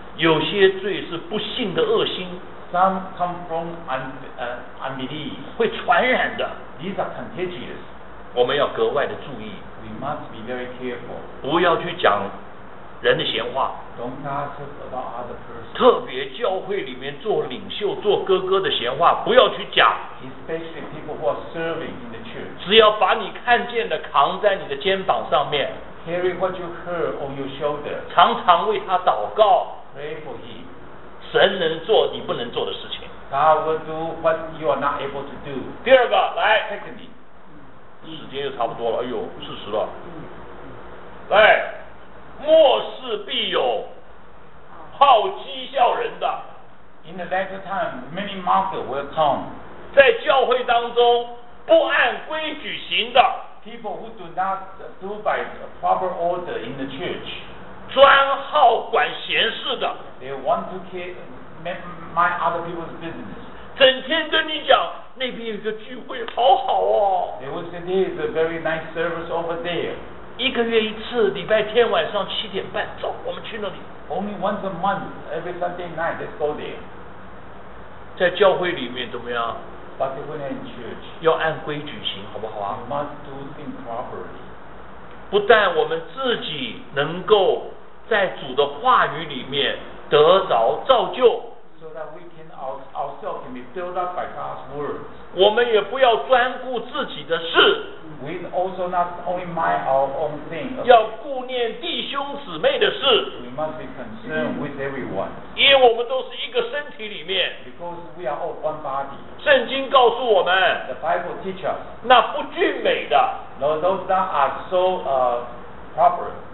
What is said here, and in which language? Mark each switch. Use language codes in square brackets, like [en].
[zh] 有些罪是不幸的恶心。 [en] Some come from unbelief. [zh] 会传染的。 [en] These are contagious. [zh] 我们要格外的注意。 [en] We must be very careful. [zh] 不要去讲人的闲话。 [en] Don't gossip about other persons. [zh] 特别教会里面做领袖、做哥哥的闲话，不要去讲。 [en] Especially people who are serving in the church. [zh] 只要把你看见的扛在你的肩膀上面。 [en] Carry what you heard on your shoulder. [zh] 常常为他祷告。 [en] Pray for him. [zh] 神能做你不能做的事情。 [en] God will do what you are not able to do. [zh] 第二个，来。 [en] Secondly. [zh] 时间又差不多了，哎呦，四十了。来。末世必有好讥笑人的。 [en] In the latter time, many mockers will come. [zh] 在教会当中不按规矩行的。 [en] People who do not do by the proper order in the church. [zh] 专好管闲事的。 [en] They want to care my other people's business. [zh] 整天跟你讲那边有个聚会，好好哦。 [en] They will say there is a very nice service over there. [zh] 一个月一次，礼拜天晚上七点半，走，我们去那里。 [en] Only once a month, every Sunday night, let's go there. [zh] 在教会里面怎么样 [en] ？But when in church, [zh] 要按规矩行，好不好啊 [en] ？You must do things properly. [zh] 不但我们自己能够在主的话语里面得着造就 [en] ，so that we can ourselves can be built up by God's words. [zh] 我们也不要专顾自己的事。 [en] We also not only mind our own thing. [zh] 要顾念弟兄姊妹的事。 [en] We must be concerned with everyone. [zh] 因为我们都是一个身体里面。 [en] Because we are all one body. [zh] 圣经告诉我们。 [en] The Bible teach us. [zh] 那不俊美的。 [en] Those that are so proper.